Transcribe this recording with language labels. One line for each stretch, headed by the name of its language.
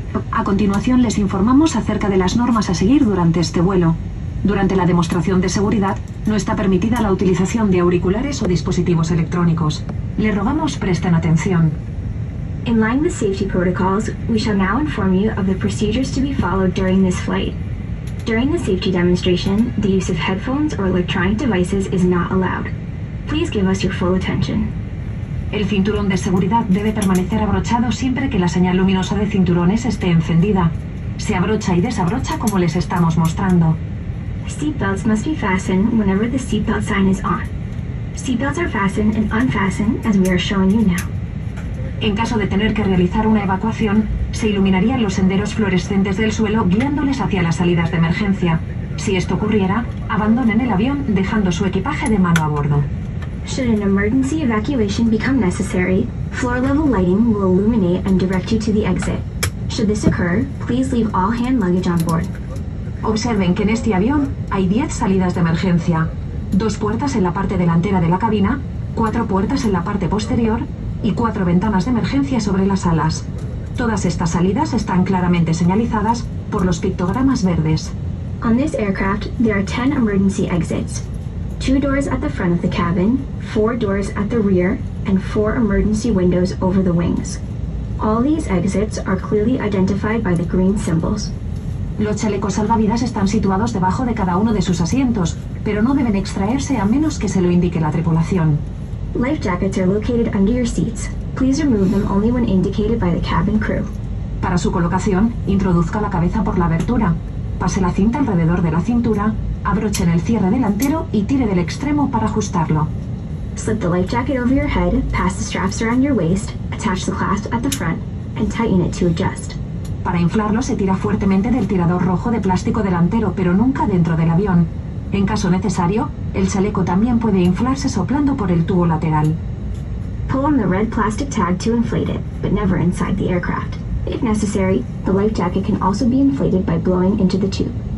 Spanish: A continuación les informamos acerca de las normas a seguir durante este vuelo. Durante la demostración de seguridad, no está permitida la utilización de auriculares o dispositivos electrónicos. Le rogamos presten atención.
English: In line with safety protocols, we shall now inform you of the procedures to be followed during this flight. During the safety demonstration, the use of headphones or electronic devices is not allowed. Please give us your full attention.
Spanish: El cinturón de seguridad debe permanecer abrochado siempre que la señal luminosa de cinturones esté encendida. Se abrocha y desabrocha como les estamos mostrando.
English: Seatbelts must be fastened whenever the seatbelt sign is on. Seatbelts are fastened and unfastened as we are showing you now.
Spanish: En caso de tener que realizar una evacuación, se iluminarían los senderos fluorescentes del suelo guiándoles hacia las salidas de emergencia. Si esto ocurriera, abandonen el avión dejando su equipaje de mano a bordo.
English: Should an emergency evacuation become necessary, floor level lighting will illuminate and direct you to the exit. Should this occur, please leave all hand luggage on board.
Spanish: Observen que en este avión hay 10 salidas de emergencia. 2 puertas en la parte delantera de la cabina, 4 puertas en la parte posterior y 4 ventanas de emergencia sobre las alas. Todas estas salidas están claramente señalizadas por los pictogramas verdes.
English: On this aircraft, there are 10 emergency exits. 2 doors at the front of the cabin, 4 doors at the rear, and 4 emergency windows over the wings. All these exits are clearly identified by the green symbols.
Spanish: Los chalecos salvavidas están situados debajo de cada uno de sus asientos, pero no deben extraerse a menos que se lo indique la tripulación.
English: Life jackets are located under your seats. Please remove them only when indicated by the cabin crew.
Spanish: Para su colocación, introduzca la cabeza por la abertura. Pase la cinta alrededor de la cintura, abrochen el cierre delantero y tire del extremo para ajustarlo.
English: Slip the life jacket over your head, pass the straps around your waist, attach the clasp at the front, and tighten it to adjust.
Spanish: Para inflarlo, se tira fuertemente del tirador rojo de plástico delantero, pero nunca dentro del avión. En caso necesario, el chaleco también puede inflarse soplando por el tubo lateral.
English: Pull on the red plastic tag to inflate it, but never inside the aircraft. If necessary, the life jacket can also be inflated by blowing into the tube.